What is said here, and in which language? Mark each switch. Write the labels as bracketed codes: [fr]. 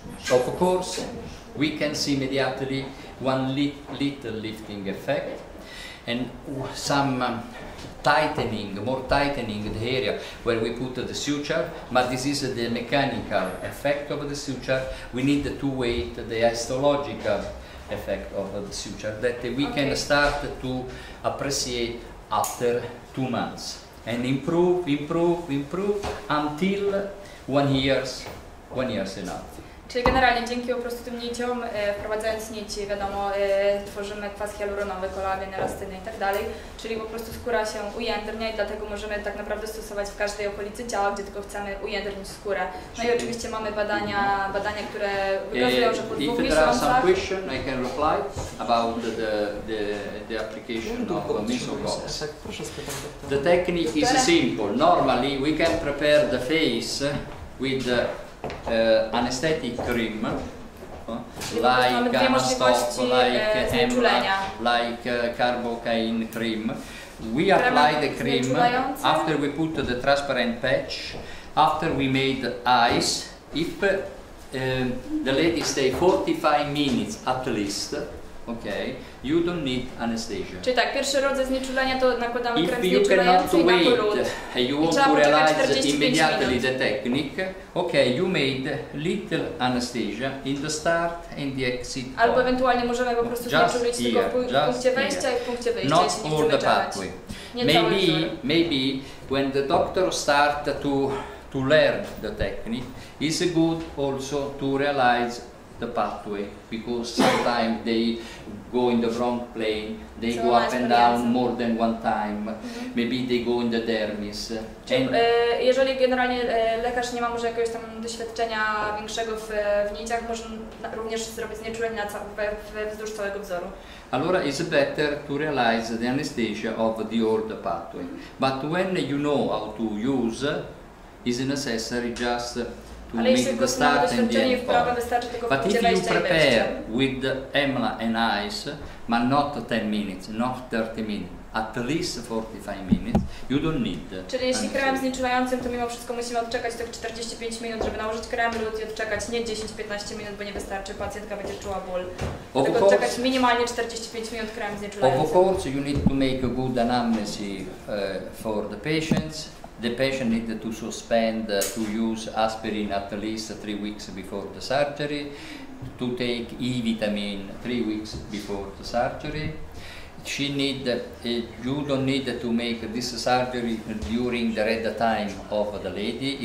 [en] Of course, we can see immediately one little lifting effect and some more tightening the area where we put the suture, but this is the mechanical effect of the suture. We need to wait the histological effect of the suture that we can start to appreciate after 2 months and improve until 1 year enough. [pl] Czyli generalnie dzięki po prostu tym niciom, wprowadzając nici, wiadomo, tworzymy kwas hialuronowy, kolagen, elastyny i tak dalej, czyli po prostu skóra się ujędrnia i dlatego możemy tak naprawdę stosować w każdej okolicy ciała, gdzie tylko chcemy ujędrnić skórę. No i oczywiście mamy badania, które wykazują, że po dwóch miesiącach... Jeśli ktoś ma pytanie, mogę odpowiedzieć na aplikację Misogox. Technika jest [en] simple. Normally we can prepare the face with the anesthetic cream, like Amastop, like Emla, like Carbocaine cream. We apply the cream after we put the transparent patch, after we made eyes. If the lady stay 45 minutes at least, okay, you don't need anesthesia. [pl] Czyli tak, pierwszy rodzaj znieczulenia to nakładamy [en] if [pl] krem znieczulający i na polut. [en] If you cannot wait, you want to realize immediately the technique, okay, you made little anesthesia in the start and the exit. [pl] Albo ewentualnie możemy po prostu znieczulić tylko w punkcie wejścia i w punkcie wyjścia. [en] Not all the pathway. Maybe when the doctor start to learn the technique, it's good also to realize the pathway, because sometimes they go in the wrong plane, they go up and down more than one time, maybe they go in the dermis. [pl] Jeżeli generalnie lekarz nie ma może jakiegoś tam doświadczenia większego w niciach, może również zrobić znieczulenie wzdłuż całego wzoru. [it] Allora, [en] it's better to realize the anesthesia of the old pathway. But when you know how to use, it's necessary just to [pl] ale [en] make the start and the end point. But if you prepare with Emla and ice, but not 10 minutes, not 30 minutes, at least 45 minutes, you don't need. [pl] Czyli jeśli krem znieczulającym, to mimo wszystko musimy odczekać tych 45 minut, żeby nałożyć krem lód i odczekać nie 10-15 minut, bo nie wystarczy, pacjentka będzie czuła ból. Tylko odczekać minimalnie 45 minut krem znieczulającym. [en] Of course, you need to make a good anamnesis for the patients. The patient needed to suspend to use aspirin at least 3 weeks before the surgery, to take E vitamin 3 weeks before the surgery. She need you don't need to make this surgery during the red time of the lady.